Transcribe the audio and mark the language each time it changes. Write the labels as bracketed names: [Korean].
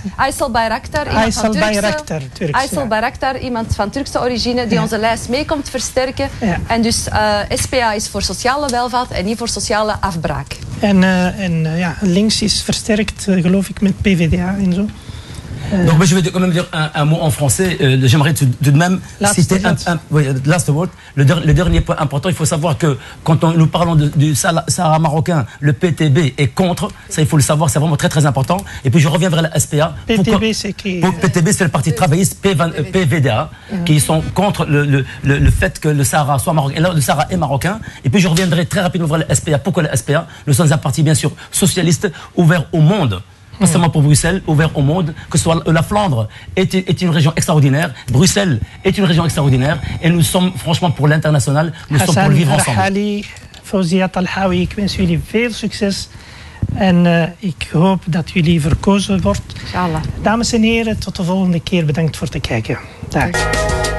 [Dutch] Aysel Bayraktar. Aysel Bayraktar, iemand van Turkse origine die onze lijst mee komt versterken. Ja. En dus SPA is voor sociale welvaart en niet voor sociale afbraak. En links is versterkt, geloof ik, met PVDA en zo. [French] Donc, je vais quand même dire un mot en français. J'aimerais tout de même citer [English] last word. [French] Le dernier point important, il faut savoir que quand nous parlons du Sahara marocain, le PTB est contre. Ça, il faut le savoir, c'est vraiment très très important. Et puis, je reviens vers la SPA. PTB, c'est le parti travailliste PVDA, qui sont contre le fait que le Sahara soit marocain. Et là, le Sahara est marocain. Et puis, je reviendrai très rapidement vers la SPA. Pourquoi la SPA? Nous sommes un parti, bien sûr, socialiste, ouvert au monde. Pas seulement pour Bruxelles, ouvert au monde, que ce soit la Flandre est une région extraordinaire, Bruxelles est une région extraordinaire, et nous sommes franchement pour l'international, nous Hassan sommes pour le vivre ensemble. [Dutch] Rahali, Fawzia Talhaoui, ik wens jullie veel succes, en ik hoop dat jullie verkozen wordt. [Arabic] Inshallah. [Dutch] Dames en heren, tot de volgende keer, bedankt voor het kijken. Dag.